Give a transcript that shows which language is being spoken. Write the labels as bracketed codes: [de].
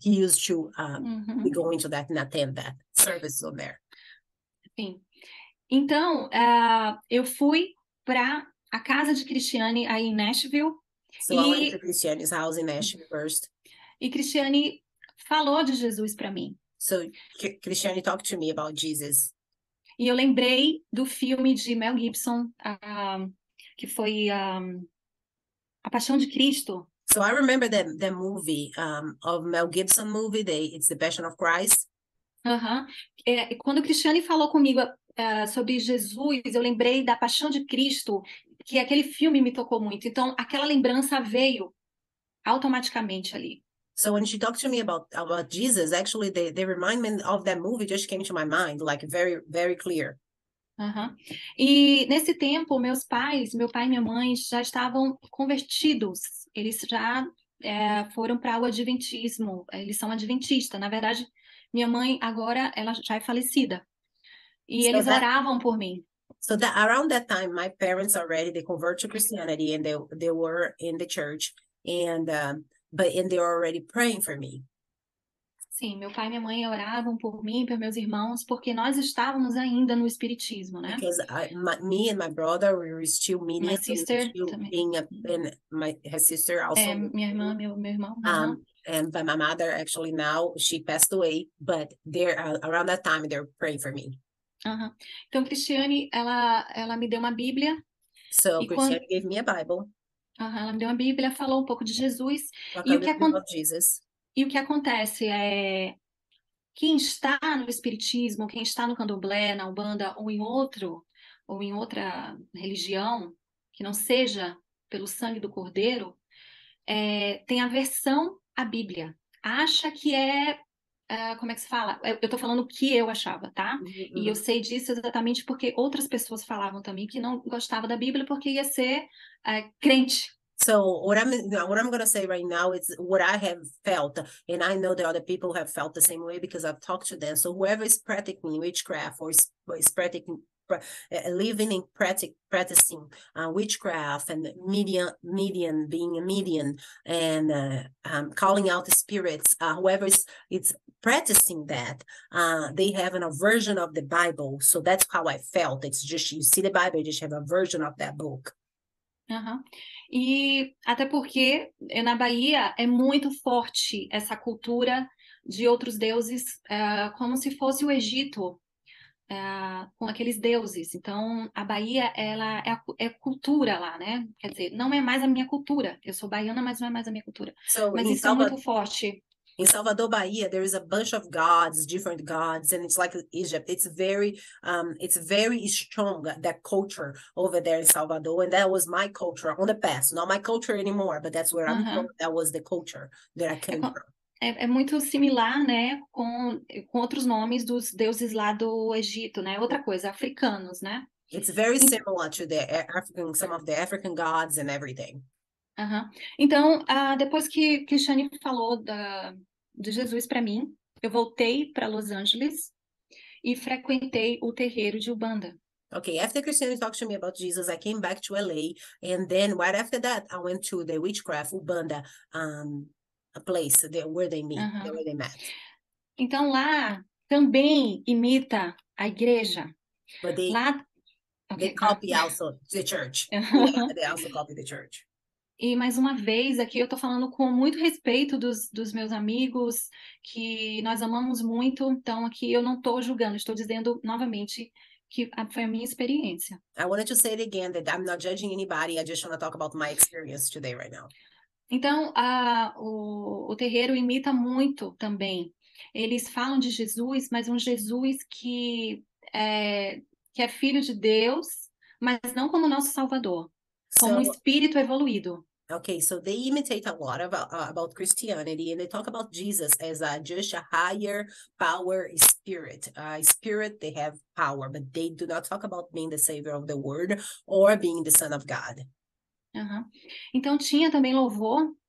[en] He used to be going to that and attend that service over there. [pt] Sim. Então, eu fui para a casa de Cristiane aí em Nashville. [en] So I went to Cristiane's house in Nashville first. [pt] E Cristiane falou de Jesus para mim. [en] So Cristiane talked to me about Jesus. [pt] E eu lembrei do filme de Mel Gibson, que foi A Paixão de Cristo. [en] So I remember the movie of Mel Gibson movie, it's The Passion of Christ. [pt] Quando Cristiane falou comigo sobre Jesus, eu lembrei da Paixão de Cristo, que aquele filme me tocou muito. Então, aquela lembrança veio automaticamente ali. [en] So when she talked to me about Jesus, actually the reminder of that movie just came to my mind, like very, very clear. [pt] E nesse tempo, meu pai e minha mãe já estavam convertidos. Eles já foram para o adventismo. Eles são adventistas. Na verdade, minha mãe agora ela já é falecida. E [en] so [pt] eles [en] that, [pt] oravam por mim. [en] So that around that time, my parents already they converted to Christianity and they were in the church and but they were already praying for me. [pt] Sim, meu pai e minha mãe oravam por mim, por meus irmãos, porque nós estávamos ainda no espiritismo, né? [en] Because me and my brother, we were still meeting. My sister still [pt] também. [en] Being and my sister also. [pt] Minha irmã, meu irmão. [en] And but my mother actually now she passed away, but there around that time they were praying for me. [pt] Então, Cristiane, ela me deu uma Bíblia. [en] So [pt] e Christiane quando... [en] gave me a Bible. [pt] Ela me deu uma Bíblia, falou um pouco de Jesus. [en] Talked a little bit about Jesus. [pt] E o que acontece é, quem está no espiritismo, quem está no candomblé, na umbanda ou em outra religião, que não seja pelo sangue do cordeiro, tem aversão à Bíblia. Acha que é, como é que se fala? Eu estou falando o que eu achava, tá? E eu sei disso exatamente porque outras pessoas falavam também que não gostava da Bíblia porque ia ser crente. [en] So what I'm going to say right now is what I have felt, and I know that other people have felt the same way because I've talked to them. So whoever is practicing witchcraft or is practicing witchcraft and medium being a medium and calling out the spirits, whoever is practicing that, they have an aversion of the Bible. So that's how I felt. It's just you see the Bible, you just have a version of that book. [pt] E até porque na Bahia é muito forte essa cultura de outros deuses, como se fosse o Egito, com aqueles deuses. Então, a Bahia ela é cultura lá, né? Quer dizer, não é mais a minha cultura. Eu sou baiana, mas não é mais a minha cultura. [en] So, [pt] mas isso é muito forte. [en] In Salvador, Bahia, there is a bunch of gods, different gods, and it's like Egypt. It's very strong, that culture over there in Salvador. And that was my culture on the past. Not my culture anymore, but that's where I'm from. That was the culture that I came from. [pt] É muito similar, né, com outros nomes dos deuses lá do Egito, né? Outra coisa, africanos, né? [en] It's very similar to the African, some of the African gods and everything. [pt] Então, depois que Shani falou de Jesus para mim, eu voltei para Los Angeles e frequentei o terreiro de Umbanda. [en] Okay, after Christiane talked to me about Jesus, I came back to LA, and then right after that, I went to the witchcraft Umbanda, a place where they meet, where they met. [pt] Então lá também imita a igreja. [en] But they copy also the church. They also copy the church. [pt] E mais uma vez, aqui eu estou falando com muito respeito dos meus amigos, que nós amamos muito, então aqui eu não estou julgando, estou dizendo novamente que foi a minha experiência. [en] I wanted to say it again, that I'm not judging anybody, I just want to talk about my experience today right now. [pt] Então, o terreiro imita muito também. Eles falam de Jesus, mas um Jesus que é filho de Deus, mas não como nosso Salvador, como um espírito evoluído. [en] Okay, so they imitate a lot about Christianity, and they talk about Jesus as just a higher power spirit. Spirit, they have power, but they do not talk about being the savior of the world or being the son of God. [pt] Então, tinha também louvor.